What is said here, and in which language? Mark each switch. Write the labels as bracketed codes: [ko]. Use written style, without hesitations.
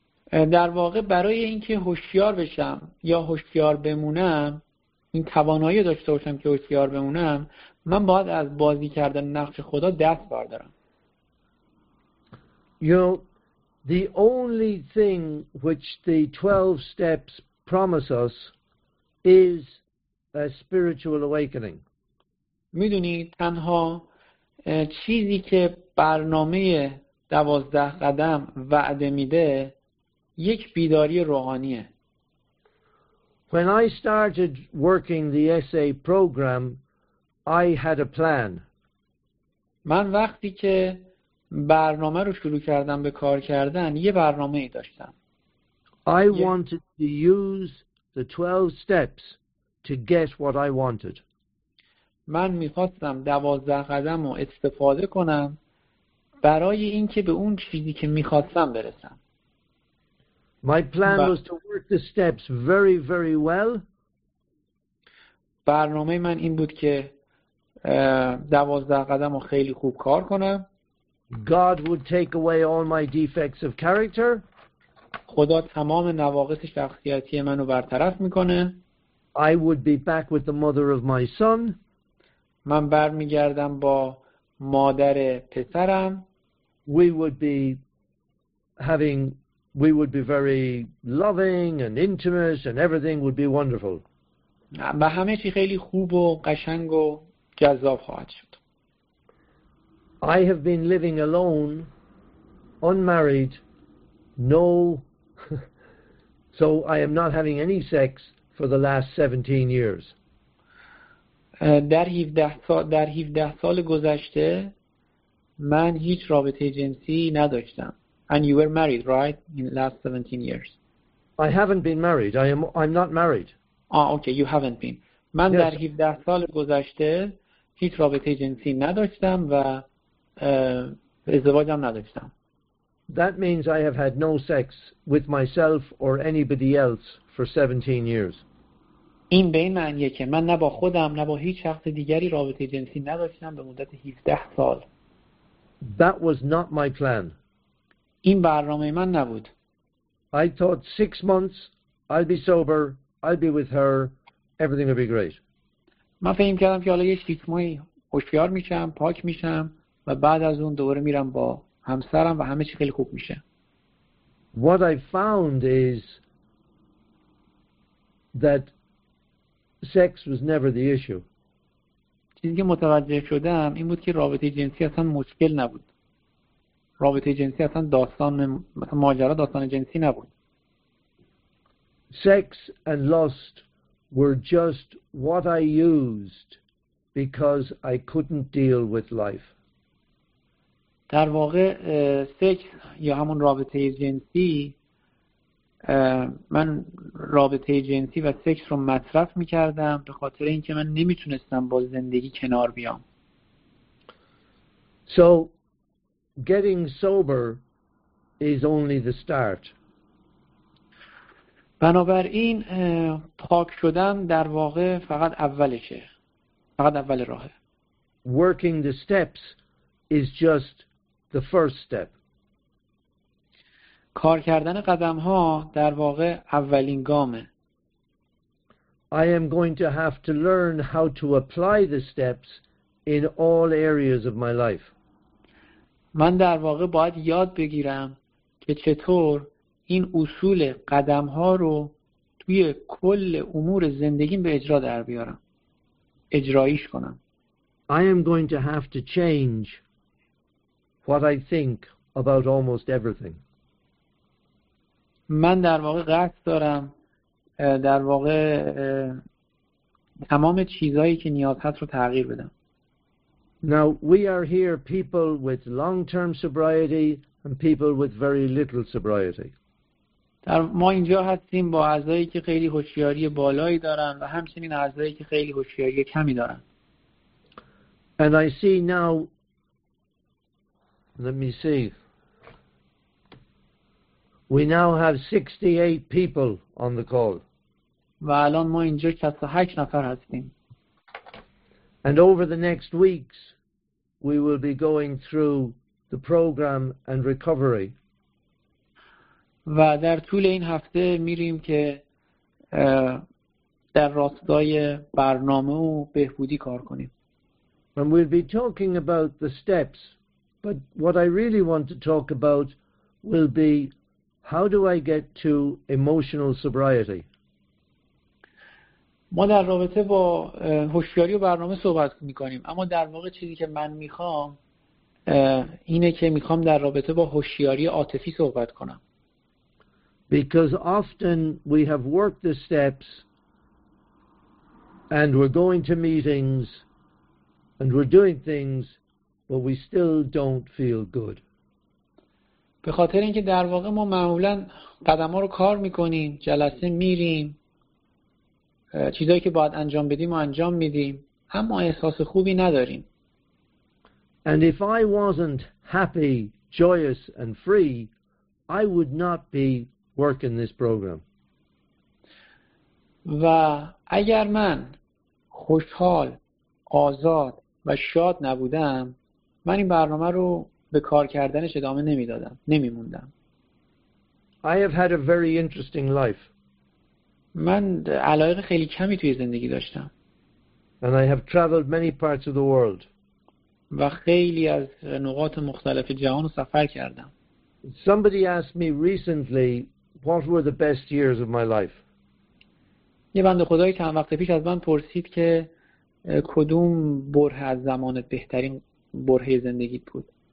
[fa] در واقع برای اینکه هوشیار بشم یا هوشیار بمونم، این توانایی داشته باشم که هوشیار بمونم، من باید از بازی کردن نقش خدا دست بردارم. [en] You know, the only thing which the 12 steps promise us is a spiritual awakening. [fa] میدونی تنها چیزی که برنامه 12 قدم وعده میده یک بیداری روحانیه. [en] When I started working the SA program, I had a plan. [fa] من وقتی که برنامه رو شروع کردم به کار کردن، یه برنامه ای داشتم. [en] I wanted to use the 12 steps to get what I wanted. [fa] من می‌خواستم 12 قدم رو استفاده کنم برای اینکه به اون چیزی که می‌خواستم برسم. [en] My plan was to work the steps very, very well. [fa] برنامه من این بود که 12 قدم رو خیلی خوب کار کنم. [en] God would take away all my defects of character. [fa] خدا تمام نواقص شخصیتی منو برطرف میکنه. [en] I would be back with the mother of my son. [fa] من برمیگردم با مادر پسرم. [en] We would be very loving and intimate and everything would be wonderful. [fa] و همه چی خیلی خوب و قشنگ و جذاب خواهد شد. [en] I have been living alone, unmarried, no, so I am not having any sex for the last 17 years. [fa] در 17 سال گذشته من هیچ رابطه جنسی نداشتم. [en] And you were married, right, in the last 17 years? I haven't been married. I'm not married. Okay, you haven't been. [fa] من [en] yes. [fa] در 17 سال گذشته هیچ رابطه جنسی نداشتم و ازدواجم نداشتم. [en] That means I have had no sex with myself or anybody else for 17 years. [fa] این به این معنیه که من نه با خودم نه با هیچ شخص دیگری رابطه جنسی نداشتم به مدت 17 سال. [en] That was not my plan. [fa] این برنامه من نبود. [en] I thought 6 months I'll be sober, I'll be with her, everything will be great. [fa] من فکر کردم که حالا یه 6 ماهی هوشیار میشم، پاک میشم و بعد از اون دوباره میرم با همسرم و همه چی خیلی خوب میشه. [en] What I found is that sex was never the issue. [fa] چیزی که متوجه شدم این بود که رابطه جنسی اصلا مشکل نبود. رابطه جنسی اصلا داستان مثلا ماجرا داستان جنسی نبود. [en] Sex and lust were just what I used because I couldn't deal with life. [fa] در واقع سکس یا همون رابطه جنسی، من رابطه جنسی و سکس رو مصرف می‌کردم به خاطر اینکه من نمیتونستم با زندگی کنار بیام. [en] So getting sober is only the start. [fa] بنابراین پاک شدن در واقع فقط اولشه. فقط اول راهه. [en] Working the steps is just the first step. [fa] کار کردن قدم ها در واقع اولین گامه. [en] I am going to have to learn how to apply the steps in all areas of my life. [fa] من در واقع باید یاد بگیرم که چطور این اصول قدم ها رو توی کل امور زندگیم به اجرا در بیارم. اجرایش کنم. [en] I am going to have to change what I think about almost everything. [fa] من در واقع قصد دارم در واقع تمام چیزهایی که نیاز هست رو تغییر بدم. [en] Now we are here people with long-term sobriety and people with very little sobriety. [fa] در ما اینجا هستیم با اعضایی که خیلی هوشیاری بالایی دارن و همچنین اعضایی که خیلی هوشیاری کمی دارن. [en] And I see now, let me see. We now have 68 people on the call. [fa] و الان ما اینجا 68 نفر هستیم. [en] And over the next weeks we will be going through the program and recovery. [fa] و در طول این هفته میریم که در راستای برنامه و بهبودی کار کنیم. [en] And we'll be talking about the steps, but what I really want to talk about will be how do I get to emotional sobriety? [fa] ما در رابطه با هوشیاری و برنامه صحبت می‌کنیم، اما در واقع چیزی که من می‌خوام اینه که می‌خوام در رابطه با هوشیاری عاطفی صحبت کنم. [en] Because often we have worked the steps and we're going to meetings and we're doing things but we still don't feel good. [fa] به خاطر اینکه در واقع ما معمولا قدم‌ها رو کار می‌کنیم، جلسه می‌ریم، چیزایی که باید انجام بدیم و انجام می‌دیم، اما احساس خوبی نداریم. [en] And if I wasn't happy, joyous and free, I would not be working this program. [fa] و اگر من خوشحال، آزاد و شاد نبودم، من این برنامه رو به کار کردنش ادامه نمیدادم، نمیموندم. [en] I have had a very interesting life. [fa] من علایق خیلی کمی توی زندگی داشتم. [en] And I have traveled many parts of the world. [fa] و خیلی از نقاط مختلف جهان رو سفر کردم. [en] Somebody asked me recently what were the best years of my life. [fa] یه بنده خدایی چند وقت پیش از من پرسید که کدوم برهه از زمانت بهترین برهه زندگی بود.